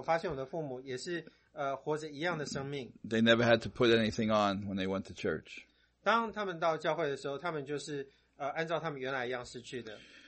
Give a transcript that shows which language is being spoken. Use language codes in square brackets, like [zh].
[zh] 然后就是说，在我成长过程当中，我发现我的父母也是活着一样的生命。 [en] They never had to put anything on when they went to church. [zh] 当他们到教会的时候，他们就是按照他们原来一样失去的。